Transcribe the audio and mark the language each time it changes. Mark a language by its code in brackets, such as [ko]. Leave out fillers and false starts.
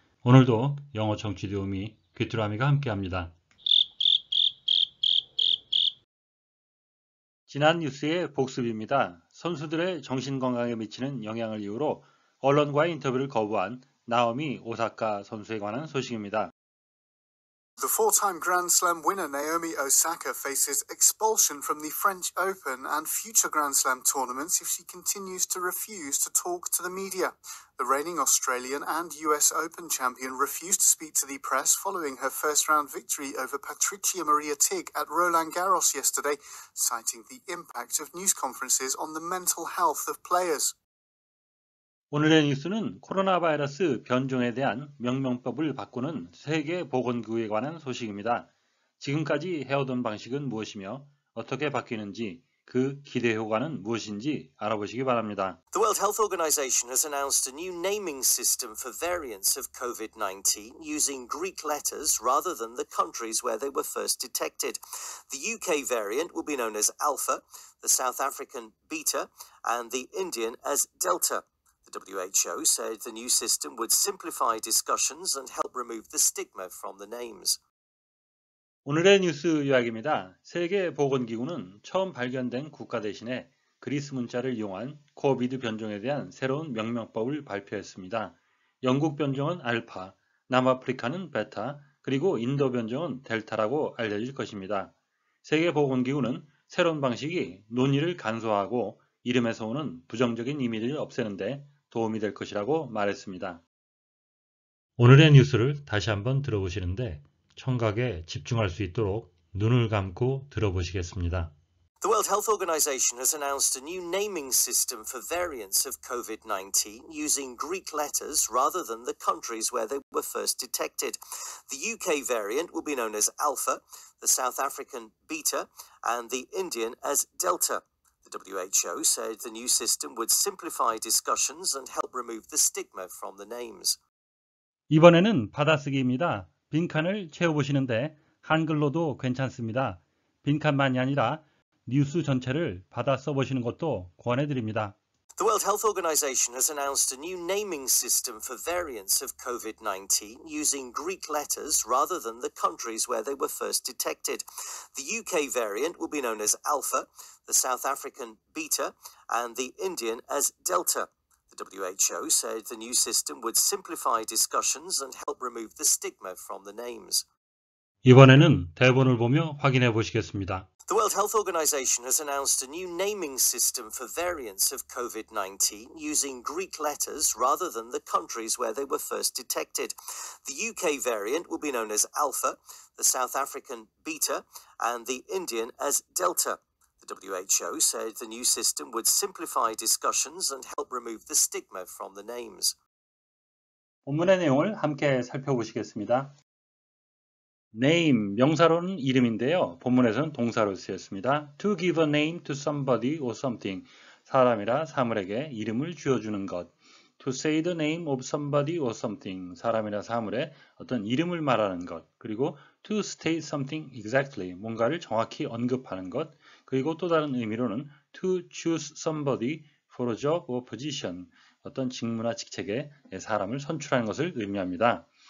[ko] 오늘도 영어 청취 도우미 귀뚜라미가 함께합니다. 지난 뉴스의 복습입니다. 선수들의 정신 건강에 미치는 영향을 이유로 언론과의 인터뷰를 거부한 나오미 오사카 선수에 관한 소식입니다. [en] The four-time Grand Slam winner Naomi Osaka faces expulsion from the French Open and future Grand Slam tournaments if she continues to refuse to talk to the media. The reigning Australian and US Open champion refused to speak to the press following her first-round victory over Patricia Maria Tigg at Roland Garros yesterday, citing the impact of news conferences on the mental health of players. [ko] 오늘의 뉴스는 코로나 바이러스 변종에 대한 명명법을 바꾸는 세계보건기구에 관한 소식입니다. 지금까지 해오던 방식은 무엇이며 어떻게 바뀌는지 그 기대 효과는 무엇인지 알아보시기 바랍니다. [en] The World Health Organization has announced a new naming system for variants of COVID-19 using Greek letters rather than the countries where they were first detected. The UK variant will be known as Alpha, the South African Beta, and the Indian as Delta. WHO said the new system would simplify discussions and help remove the stigma from the names. [ko] 오늘의 뉴스 요약입니다. 세계보건기구는 처음 발견된 국가 대신에 그리스 문자를 이용한 코비드 변종에 대한 새로운 명명법을 발표했습니다. 영국 변종은 알파, 남아프리카는 베타, 그리고 인도 변종은 델타라고 알려질 것입니다. 세계보건기구는 새로운 방식이 논의를 간소화하고 이름에서 오는 부정적인 이미지를 없애는데 도움이 될 것이라고 말했습니다. 오늘의 뉴스를 다시 한번 들어보시는데 청각에 집중할 수 있도록 눈을 감고 들어보시겠습니다. [en] The World Health Organization has announced a new naming system for variants of COVID-19 using Greek letters rather than the countries where they were first detected. The UK variant will be known as Alpha, the South African Beta, and the Indian as Delta. WHO said the new system would simplify discussions and help remove the stigma from the names. [ko] 이번에는 받아쓰기입니다. 빈칸을 채워보시는데 한글로도 괜찮습니다. 빈칸만이 아니라 뉴스 전체를 받아 써보시는 것도 권해드립니다. [en] The World Health Organization has announced a new naming system for variants of COVID-19 using Greek letters rather than the countries where they were first detected. The UK variant will be known as Alpha, the South African Beta, and the Indian as Delta. The WHO said the new system would simplify discussions and help remove the stigma from the names. [ko] 이번에는 대본을 보며 확인해 보시겠습니다. [en] The World Health Organization has announced a new naming system for variants of COVID-19 using Greek letters rather than the countries where they were first detected. The UK variant will be known as Alpha, the South African Beta, and the Indian as Delta. The WHO said the new system would simplify discussions and help remove the stigma from the names. [ko] 본문의 내용을 함께 살펴보시겠습니다. name, 명사로는 이름인데요. 본문에서는 동사로 쓰였습니다. [en] to give a name to somebody or something. [ko] 사람이라 사물에게 이름을 지어주는 것. [en] to say the name of somebody or something. [ko] 사람이라 사물에 어떤 이름을 말하는 것. [en] 그리고 to state something exactly. [ko] 뭔가를 정확히 언급하는 것. 그리고 또 다른 의미로는 [en] to choose somebody for a job or position. [ko] 어떤 직무나 직책에 사람을 선출하는 것을 의미합니다.